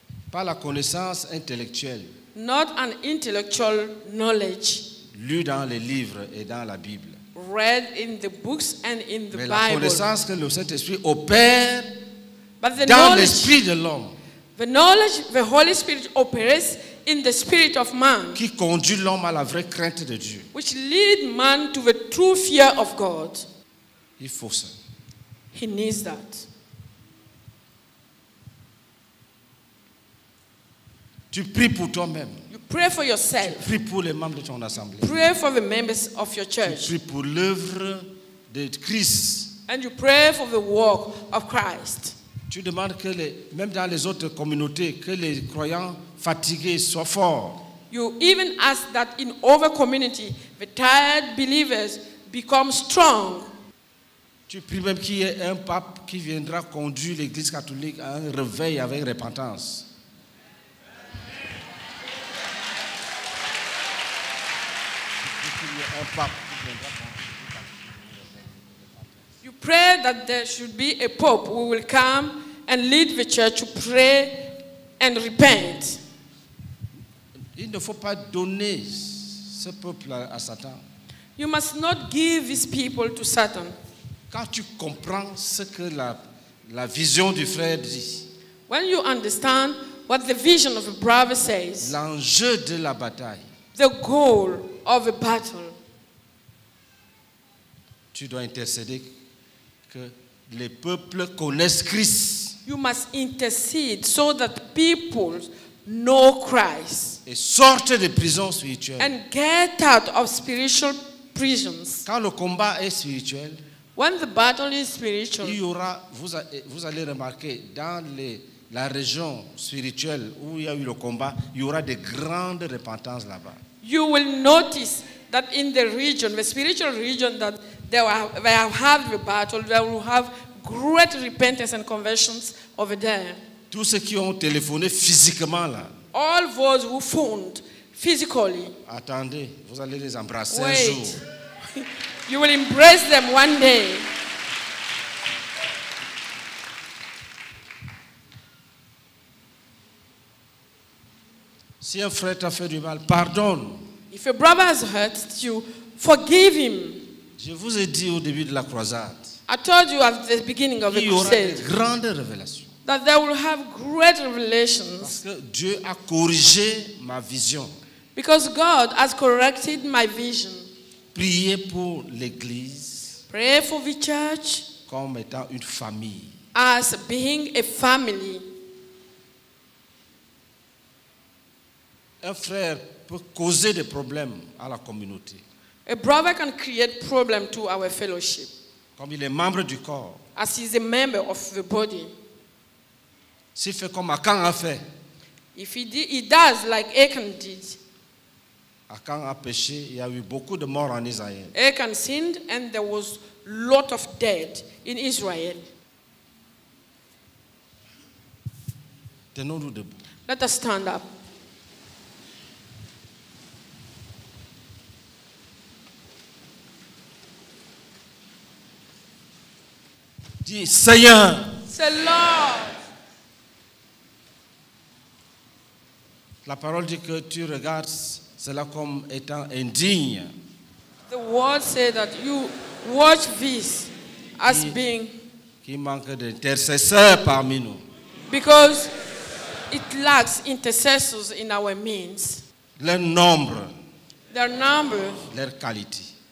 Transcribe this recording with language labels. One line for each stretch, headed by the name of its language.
French: Pas la connaissance intellectuelle.
English: Not an intellectual knowledge.
French: Lu dans les livres et dans la Bible.
English: Read in the books and in the
French: Mais
English: Bible.
French: La connaissance que le Saint-Esprit opère dans l'esprit de l'homme.
English: The knowledge the Holy Spirit operates in the spirit of man.
French: Qui conduit l'homme à la vraie crainte de Dieu.
English: Which lead man to the true fear of God.
French: Il faut ça.
English: He needs that.
French: Tu pries pour toi-même.
English: You pray for yourself.
French: Tu pries pour les membres de ton assemblée.
English: Pray for the members of your church.
French: Tu pries pour l'œuvre de Christ.
English: And you pray for the work of Christ.
French: Tu demandes que les, même dans les autres communautés, que les croyants fatigués soient forts.
English: You even ask that in other community, the tired believers become strong.
French: Tu pries même qu'il y ait un pape qui viendra conduire l'Église catholique à un réveil avec repentance.
English: You pray that there should be a pope who will come and lead the church to pray and repent.
French: Il ne faut pas donner ce peuple à Satan.
English: You must not give these people to Satan.
French: Quand tu comprends ce que la vision du frère dit.
English: When you understand what the vision of a brother says.
French: L'enjeu de la bataille.
English: The goal of a battle.
French: Tu dois intercéder que les peuples connaissent Christ.
English: You must intercede so that people know Christ.
French: Et sortent des prisons spirituelles.
English: And get out of spiritual prisons.
French: Quand le combat est spirituel,
English: when the battle is spiritual,
French: il y aura, vous allez remarquer, dans la région spirituelle où il y a eu le combat, il y aura des grandes repentances là-bas.
English: You will notice that in the region, the spiritual region that they have had the battle, they will have great repentance and conversions over there.
French: Tous ceux qui ont téléphoné physiquement là.
English: All those who phoned physically.
French: Attendez, vous allez les embrasser.
English: Wait.
French: Un jour.
English: You will embrace them one day.
French: Si un frère t'a fait du mal, pardonne.
English: If a brother has hurt you, forgive him.
French: Je vous ai dit au début de la croisade.
English: I told you at the beginning of the crusade.
French: Il y aura des grandes révélations.
English: That they will have great revelations.
French: Parce que Dieu a corrigé ma vision.
English: Because God has corrected my vision.
French: Priez pour l'église.
English: Pray for the church.
French: Comme étant une famille.
English: As being a family.
French: Un frère peut causer des problèmes à la communauté.
English: A brother can create problem to our fellowship.
French: Comme il est membre du corps.
English: As he is a member of the body.
French: S'il fait comme Akan a fait.
English: If he does like Achan did.
French: Akan a péché, il y a eu beaucoup de morts en Israël.
English: Achan sinned and there was lot of dead in Israel.
French: Tenons-nous debout.
English: Let us stand up.
French: Dis, Seigneur.
English: C'est Lord.
French: La parole dit que tu regardes cela comme étant indigne.
English: The word say that you watch this as qui, being.
French: Qui manque d'intercesseurs parmi nous.
English: Because it lacks intercessors in our means.
French: Le nombre.
English: Their number.
French: Leur qualité.